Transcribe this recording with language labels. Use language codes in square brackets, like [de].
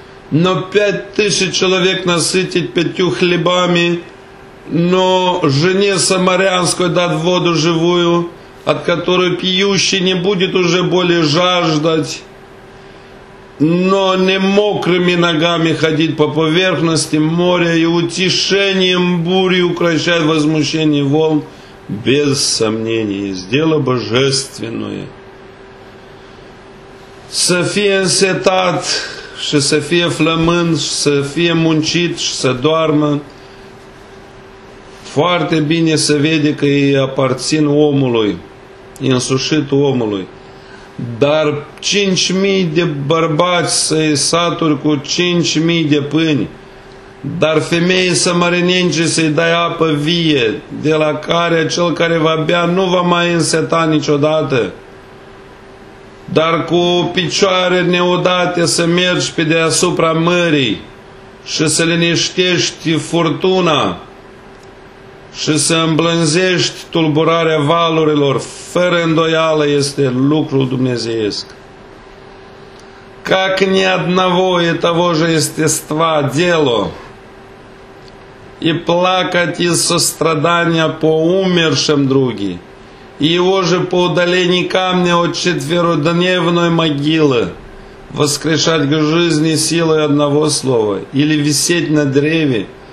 [ru] Но 5000 человек насытить 5 хлебами, но жене самарянской дать воду живую, от которой пьющий не будет уже более жаждать, но не мокрыми ногами ходить по поверхности моря и утешением бури укрощать возмущение волн, без сомнений, сдела божественное. [ro] Să fie însetat și să fie flămând, să fie muncit și să doarmă, foarte bine se vede că îi aparțin omului, însușit omului. Dar 5000 de bărbați să-i saturi cu 5000 de pâini, dar femeii samarinence să-i dai apă vie, de la care cel care va bea nu va mai înseta niciodată, dar cu picioare neodate să mergi pe deasupra mării și să liniștești furtuna și să îmblânzești tulburarea valurilor, fără îndoială este lucrul dumnezeiesc. [ru] Как ни одного и того же естества дело, и плакать из сострадания по умершим други, и его же по удалении камня от четверодневной могилы воскрешать к жизни силой одного слова, или висеть на древе,